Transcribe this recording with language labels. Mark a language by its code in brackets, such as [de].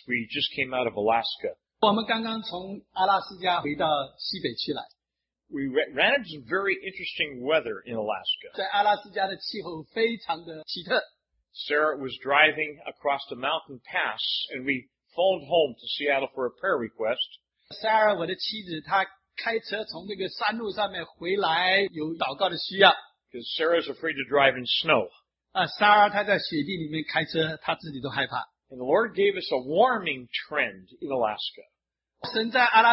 [en] We just came out of Alaska. We ran into some very interesting weather in Alaska. Sarah was driving across the mountain pass, and we phoned home to Seattle for a prayer request. [zh] Sarah, 我的妻子，她开车从那个山路上面回来，有祷告的需要。 [en] Because Sarah is afraid to drive in snow. [zh] Sarah, 她在雪地里面开车, 她自己都害怕。 [en] And the Lord gave us a warming trend in Alaska.